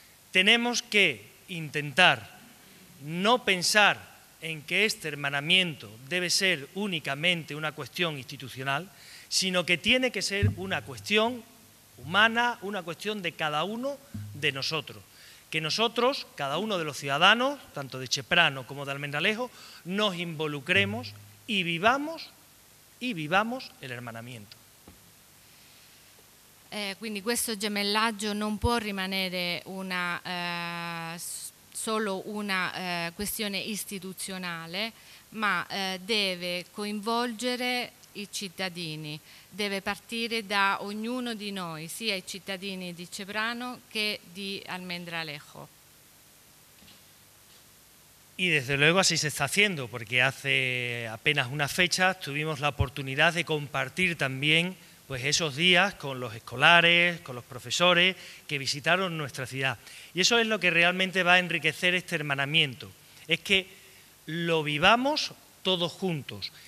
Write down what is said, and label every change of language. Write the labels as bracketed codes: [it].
[es] Tenemos que intentar no pensar en que este hermanamiento debe ser únicamente una cuestión institucional, sino que tiene que ser una cuestión humana, una cuestión de cada uno de nosotros. Que nosotros, cada uno de los ciudadanos, tanto de Cheprano como de Almendralejo, nos involucremos y vivamos el hermanamiento. [it] Quindi questo gemellaggio non può rimanere una solo una questione istituzionale, ma deve coinvolgere i cittadini, deve partire da ognuno di noi, sia i cittadini di Cebrano che di Almendralejo. [es] Y desde luego así se está haciendo, porque hace apenas una fecha tuvimos la oportunidad de compartir también pues esos días con los escolares, con los profesores que visitaron nuestra ciudad. Y eso es lo que realmente va a enriquecer este hermanamiento, es que lo vivamos todos juntos.